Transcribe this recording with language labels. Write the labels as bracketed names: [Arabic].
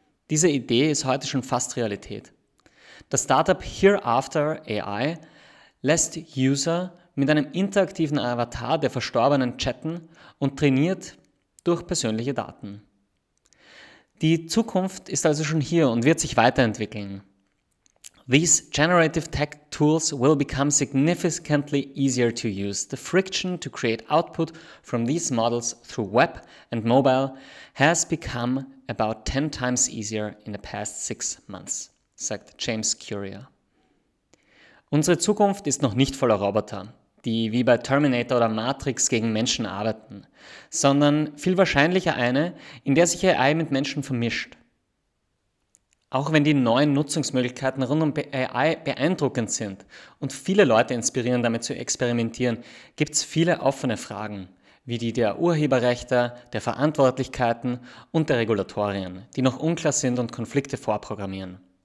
[German] Diese Idee ist heute schon fast Realität. Das Startup Hereafter AI lässt User mit einem interaktiven Avatar der Verstorbenen chatten und trainiert durch persönliche Daten. Die Zukunft ist also schon hier und wird sich weiterentwickeln. [English] These generative tech tools will become significantly easier to use. The friction to create output from these models through web and mobile has become about 10 times easier in the past 6 months. [German] Sagt James Currier. Unsere Zukunft ist noch nicht voller Roboter, die wie bei Terminator oder Matrix gegen Menschen arbeiten, sondern viel wahrscheinlicher eine, in der sich AI mit Menschen vermischt. Auch wenn die neuen Nutzungsmöglichkeiten rund um AI beeindruckend sind und viele Leute inspirieren, damit zu experimentieren, gibt es viele offene Fragen, wie die der Urheberrechte, der Verantwortlichkeiten und der Regulatorien, die noch unklar sind und Konflikte vorprogrammieren.